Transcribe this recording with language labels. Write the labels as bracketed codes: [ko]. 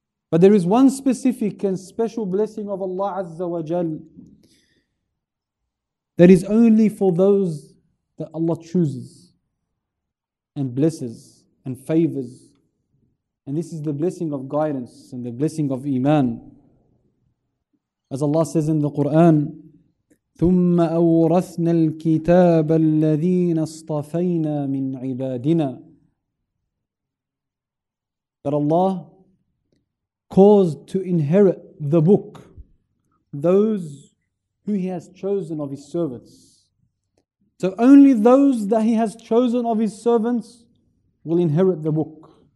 [en] But there is one specific and special blessing of Allah Azza wa Jal that is only for those that Allah chooses and blesses and favors. And this is the blessing of guidance and the blessing of iman. As Allah says in the Quran, [ar] ثُمَّ أَوْرَثْنَا الْكِتَابَ الَّذِينَ اصْطَفَيْنَا مِنْ عِبَادِنَا. [en] That Allah caused to inherit the book those who He has chosen of His servants. So only those that He has chosen of His servants will inherit the book.